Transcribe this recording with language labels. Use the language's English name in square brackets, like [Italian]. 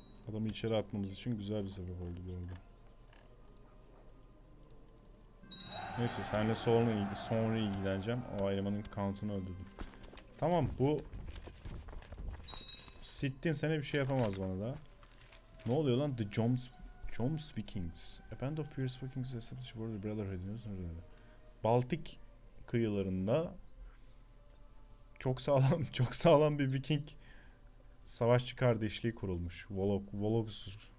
[Turkish] Adamı içeri atmamız için güzel bir sebep oldu bu arada. Neyse seninle sonra ilgileneceğim. O elemanın count'unu öldürdüm. Tamam bu... Sittin sana bir şey yapamaz bana da. Ne oluyor lan? The Joms Vikings. [English] A band of fierce Vikings established for the brotherhood. [Turkish] Baltik kıyılarında çok sağlam bir Viking savaşçı kardeşliği kurulmuş. Vologos.